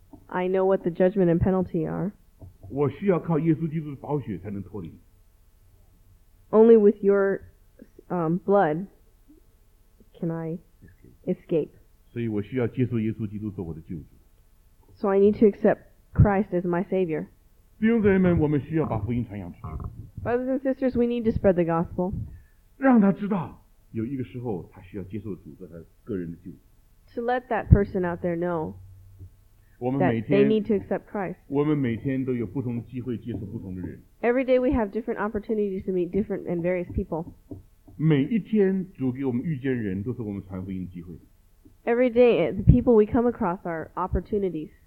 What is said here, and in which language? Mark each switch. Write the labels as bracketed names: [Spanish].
[English] I know what the judgment and penalty are. [Chinese] 我需要靠耶稣基督的宝血才能脱离。 [English] Only with your blood can I escape. [Chinese] 所以我需要接受耶稣基督做我的救主。 [English] So I need to accept. Christ is my Savior. [Chinese] 弟兄姊妹们，我们需要把福音传扬出去。 [English] Brothers and sisters, we need to spread the gospel. [Chinese] 让他知道，有一个时候他需要接受主做他个人的救主。 [English] To let that person out there know that they need to accept Christ. [Chinese] 我们每天都有不同的机会接触不同的人。 [English] Every day we have different opportunities to meet different and various people. [Chinese] 每一天主给我们遇见人都是我们传福音的机会。 [English] Every day the people we come across are opportunities.